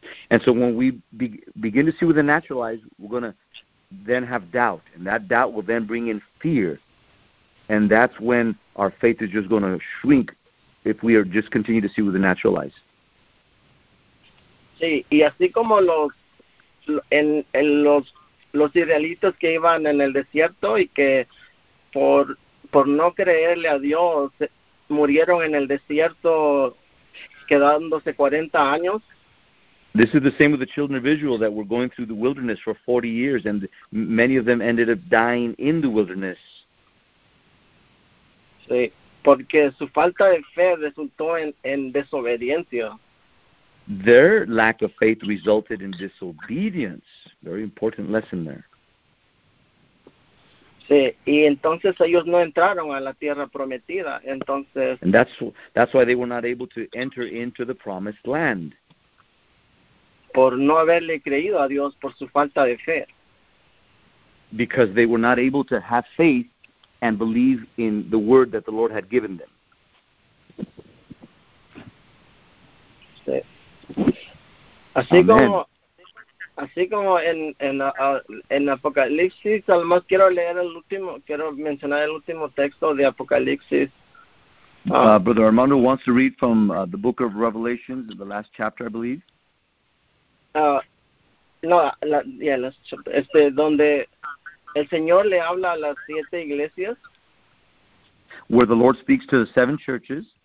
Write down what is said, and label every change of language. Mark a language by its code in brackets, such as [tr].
[en] And so when we begin to see with the natural eyes, we're going to then have doubt, and that doubt will then bring in fear, and that's when our faith is just going to shrink if we are just continue to see with the natural eyes. [es] Sí, y así como los israelitas que iban en el desierto y que por no creerle a Dios murieron en el desierto quedándose 40 años. [en] This is the same with the children of Israel that were going through the wilderness for 40 years, and many of them ended up dying in the wilderness. [es] Sí, porque su falta de fe resultó en desobediencia. [en] Their lack of faith resulted in disobedience. Very important lesson there. [es] Sí, y entonces ellos no entraron a la tierra prometida. Entonces, [en] and that's why they were not able to enter into the promised land. [es] Por no haberle creído a Dios por su falta de fe. [en] Because they were not able to have faith and believe in the word that the Lord had given them. [es] Sí. Así como en Apocalipsis, además quiero leer el último, quiero mencionar el último texto de Apocalipsis. [en] Brother Armando wants to read from the book of Revelation, the last chapter, I believe. [es] Donde el Señor le habla a las siete iglesias. [en] Where the Lord speaks to the seven churches.